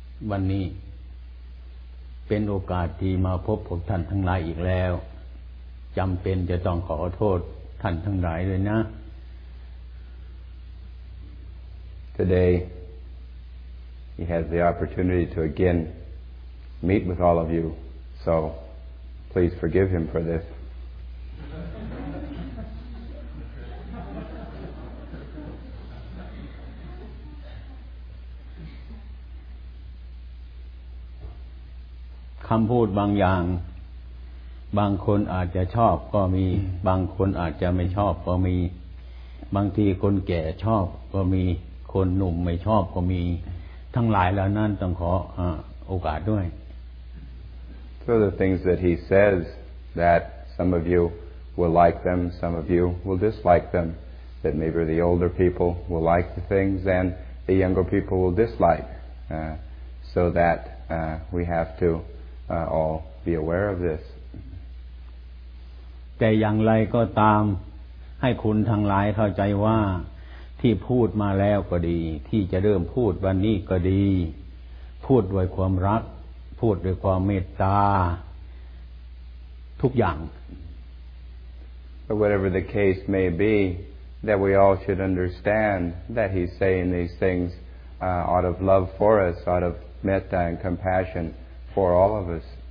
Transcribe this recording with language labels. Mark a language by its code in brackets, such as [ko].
[th] วันนี้เป็นโอกาสที่มาพบพวกท่านทั้งหลายอีกแล้วจำเป็นจะต้องขอโทษท่านทั้งหลายเลยนะ [en] Today he has the opportunity to again meet with all of you so please forgive him for this [th] คำพูดบางอย่างบางคนอาจจะชอบก็มีบางคนอาจจะไม่ชอบก็มีบางทีคนแก่ชอบก็มีคนหนุ่มไม่ชอบก็มีทั้งหลายแล้วนั้นต้องขอโอกาสด้วย [en] So the things that he says that some of you will like them some of you will dislike them that maybe the older people will like the things and the younger people will dislike so that we have toall be aware of this [th] แต่อย่างไรก็ตามให้คุณทั้งหลายเข้าใจว่าที่พูดมาแล้วก็ดีที่จะเริ่มพูดวันนี้ก็ดีพูดด้วยความรักพูดด้วยความเมตตาทุกอย่าง [en] But whatever the case may be that we all should understand that he's saying these things out of love for us out of metta and compassionfor all of us